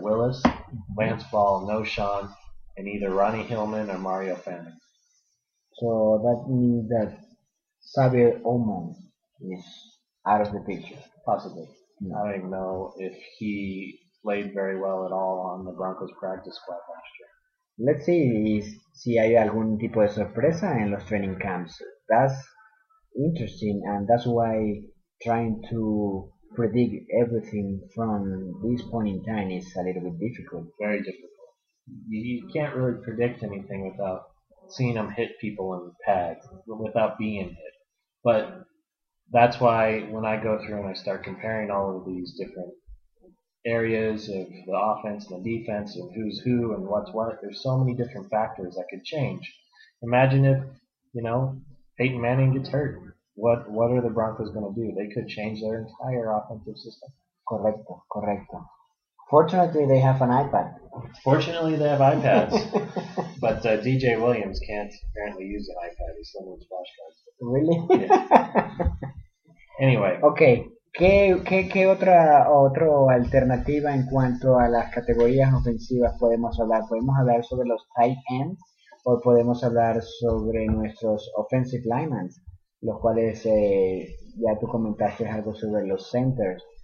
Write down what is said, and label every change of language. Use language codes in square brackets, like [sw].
[en] Willis, mm-hmm. Lance Ball, No'Shawn, and either Ronnie Hillman or Mario Fannin. So that means that Xavier Ullman is out of the picture. Possibly. Mm-hmm. I don't even know if he played very well at all on the Broncos practice squad last year. Let's see [es] si hay algún tipo de sorpresa en los training camps. [en] That's interesting, and that's why trying to predict everything from this point in time is a little bit difficult. Very difficult. You can't really predict anything without seeing them hit people in pads, without being hit. But that's why when I go through and I start comparing all of these different areas of the offense and the defense and who's who and what's what, there's so many different factors that could change. Imagine if, you know, Peyton Manning gets hurt. What are the Broncos going to do? They could change their entire offensive system. [es] Correcto, correcto. [en] Fortunately, they have an iPad. Fortunately, they have iPads. But DJ Williams can't apparently use an iPad. He's still with flashcards. Really? Yeah. Anyway. Okay. [es] ¿Qué otra alternativa en cuanto a las categorías ofensivas podemos hablar? ¿Podemos hablar sobre los tight ends o podemos hablar sobre nuestros offensive linemen, los cuales ya tú comentaste algo sobre los centers?